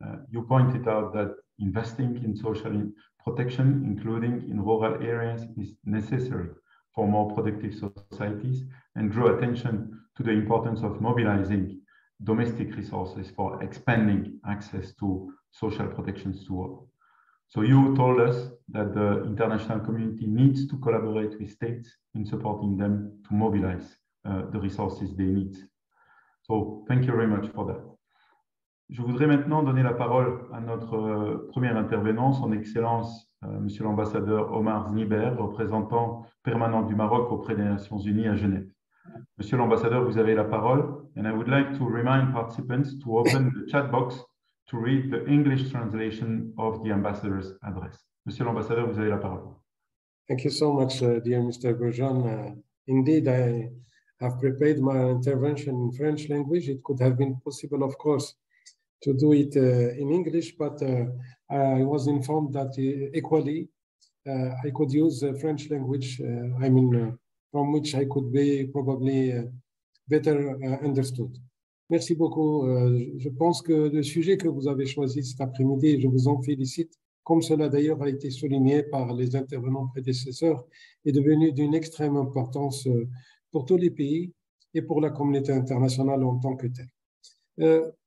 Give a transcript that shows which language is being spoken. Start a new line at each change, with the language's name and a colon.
English: You pointed out that investing in social protection, including in rural areas, is necessary for more productive societies and drew attention to the importance of mobilizing domestic resources for expanding access to social protection to all. So you told us that the international community needs to collaborate with states in supporting them to mobilize the resources they need. So thank you very much for that.
French: Je voudrais maintenant donner la parole à notre premier intervenant, son excellence, Monsieur l'ambassadeur Omar Znieber, représentant permanent du Maroc auprès des Nations Unies à Genève. Monsieur l'ambassadeur, vous avez la parole.
English: And I would like to remind participants to open the chat box to read the English translation of the ambassador's address.
French: Monsieur l'ambassadeur, vous avez la parole.
English: Thank you so much, dear Mr. Grosjean. Indeed, I have prepared my intervention in French language. It could have been possible, of course, to do it in English, but I was informed that equally, I could use French language, from which I could be probably better understood.
French: Merci beaucoup. Je pense que le sujet que vous avez choisi cet après-midi, je vous en félicite, comme cela d'ailleurs a été souligné par les intervenants prédécesseurs, est devenu d'une extrême importance pour tous les pays et pour la communauté internationale en tant que telle.